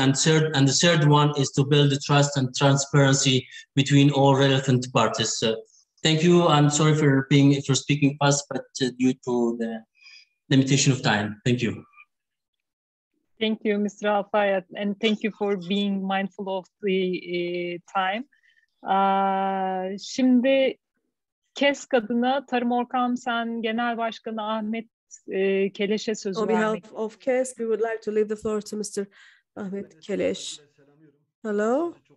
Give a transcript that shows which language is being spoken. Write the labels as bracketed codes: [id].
[en] And the third one is to build the trust and transparency between all relevant parties. Thank you. I'm sorry for speaking fast, but due to the limitation of time. Thank you. Thank you, Mr. Alfayat, and thank you for being mindful of the time. [tr] Şimdi KESK adına Tarım Orkan Sen Genel Başkanı Ahmet Keleş'e sözü vermek. [en] On behalf of KESK, we would like to leave the floor to Mr. Ahmet Keleş. Hello.